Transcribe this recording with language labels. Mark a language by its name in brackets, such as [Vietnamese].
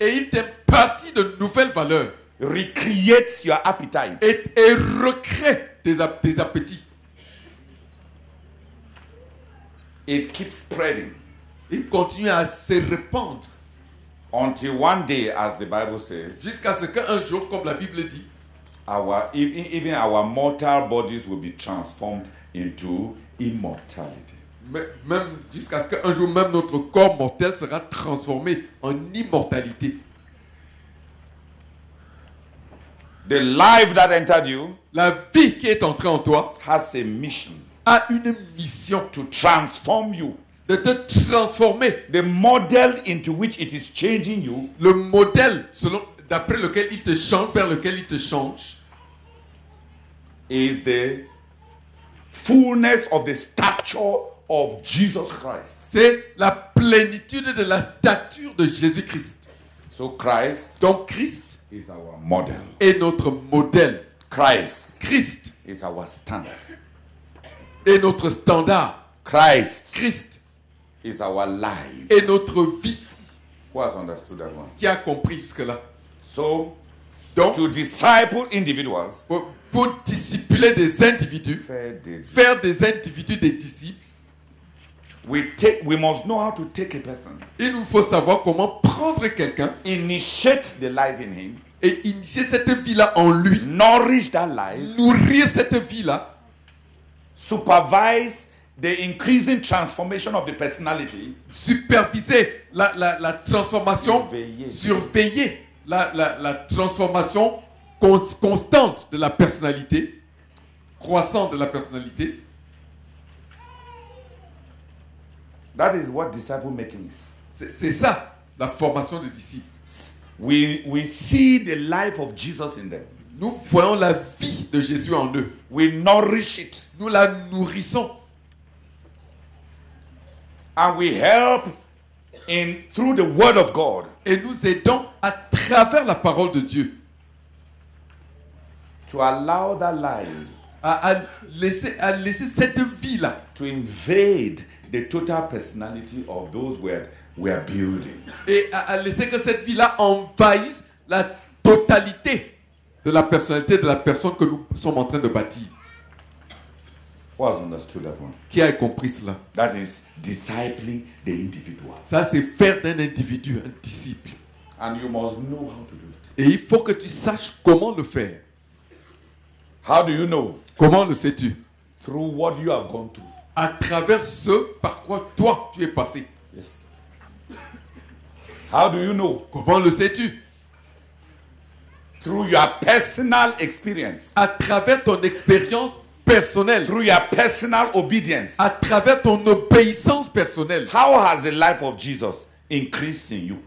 [French] Et il t'impartit de nouvelles valeurs. [English] Recreates your appetite. [French] Et recrée tes appétits. [English] It keeps spreading. [French] Il continue à se répandre. [English] Until one day, as the Bible says, [French] jusqu'à ce qu'un jour, comme la Bible dit, [English] even our mortal bodies will be transformed into immortality. [French] même jusqu'à ce qu'un jour même notre corps mortel sera transformé en immortalité. [English] The life that entered you, [French] la vie qui est entrée en toi, [English] has a mission, [French] a une mission, [English] to transform you, [French] de te transformer, [English] the model into which it is changing you, [French] le modèle selon d'après lequel il te change, vers lequel il te change, [English] is the fullness of the stature of Jesus Christ. [French] C'est la plénitude de la stature de Jésus-Christ. [English] So Christ, [French] donc Christ, [English] is our model, [French] est notre modèle. [English] Christ, [French] Christ, [English] is our standard, [French] est notre standard. [English] Christ, [French] Christ, [English] is our life, [French] est notre vie. [English] Who has understood that one? [French] Qui a compris jusque là? [English] So, [French] donc, [English] to disciple individuals, [French] pour discipler des individus, faire des individus des disciples, [English] we must know how to take a person, [French] il nous faut savoir comment prendre quelqu'un, [English] initiate the life in him, [French] et initier cette vie-là en lui, [English] nourish that life, [French] nourrir cette vie-là, [English] supervise the increasing transformation of the personality, [French] superviser la transformation, surveiller la transformation constante de la personnalité, croissante de la personnalité. [English] That is what disciple making is. [French] C'est ça la formation de disciples. [English] We see the life of Jesus in them. [French] Nous voyons la vie de Jésus en eux. [English] We nourish it. [French] Nous la nourrissons. [English] And we help in through the word of God. [French] Et nous aidons à travers la parole de Dieu. [English] To allow that life, [French] à laisser cette vie là, [English] to invade the total personality of those we are building, [French] et à laisser que cette vie là envahisse la totalité de la personnalité de la personne que nous sommes en train de bâtir. [English] Who has understood that one? [French] Qui a compris cela? [English] That is discipling the individual. [French] Ça c'est faire d'un individu un disciple. [English] And you must know how to do it. [French] Et il faut que tu saches comment le faire. [English] How do you know? [French] Comment le sais-tu? [English] Through what you have gone through. [French] À travers ce par quoi toi tu es passé. [English] Yes. How do you know? [French] Comment le sais-tu? [English] Through your personal experience. [French] À travers ton expérience personnelle. [English] Through your personal obedience. [French] À travers ton obéissance personnelle. [English] How has the life of Jesus increased in you?